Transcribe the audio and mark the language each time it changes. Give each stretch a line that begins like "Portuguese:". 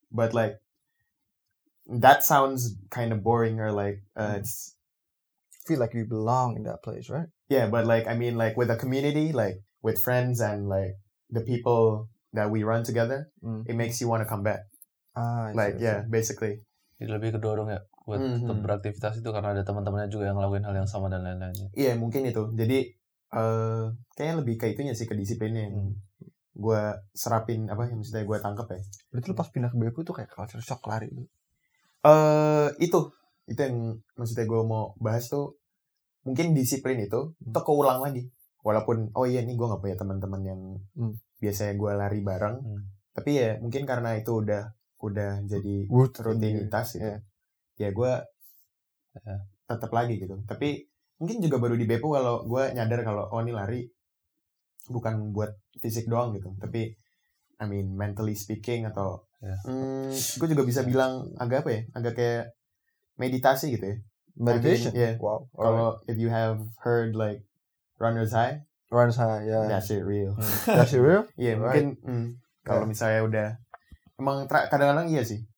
English: But like that sounds kind of boring or like it's feel like you belong in that place, right? Yeah, but like I mean, like with a community, like. With friends and like the people that we run together, it makes you want to come back. Basically.
Indonesian: Jadi lebih kedorong ya buat tetap beraktivitas itu karena ada teman-temannya juga yang ngelakuin hal yang sama dan lain-lain. Iya, mungkin itu. Jadi kayaknya lebih ke itunya sih, ke disiplinnya yang gue serapin, apa yang maksudnya gue tangkap ya. Berarti lu pas pindah ke Beppu tuh kayak culture shock lari itu. Itu yang maksudnya gue mau bahas tuh, mungkin disiplin itu tuh keulang lagi. Walaupun oh iya nih gue nggak punya teman-teman yang biasanya gue lari bareng, tapi ya mungkin karena itu udah jadi rutinitas gitu. Ya gue tetap lagi gitu, tapi mungkin juga baru di Beppu kalau gue nyadar kalau oh ini lari bukan buat fisik doang gitu, tapi
English: I mean mentally speaking
Indonesian: atau gue juga bisa bilang agak apa ya, agak kayak meditasi gitu ya,
English: meditation. Wow.
Indonesian: Kalau
English: if you have heard like Runner's high, yeah. That shit real. That shit real? Yeah, right.
Indonesian: Mungkin kalau misalnya udah, emang kadang-kadang iya sih.